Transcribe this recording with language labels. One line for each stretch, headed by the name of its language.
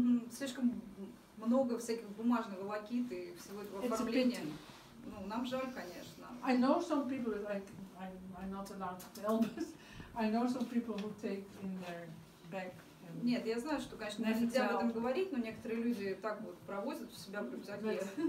Russian: слишком много всяких бумажных волокит и всего этого оформления. Нам жаль, конечно.
English: I know some people like I'm not allowed to tell, but I know some people who take in their bag.
Russian: Нет, я знаю, что, конечно, нельзя об этом говорить, но некоторые люди так вот провозят у себя в рюкзаке.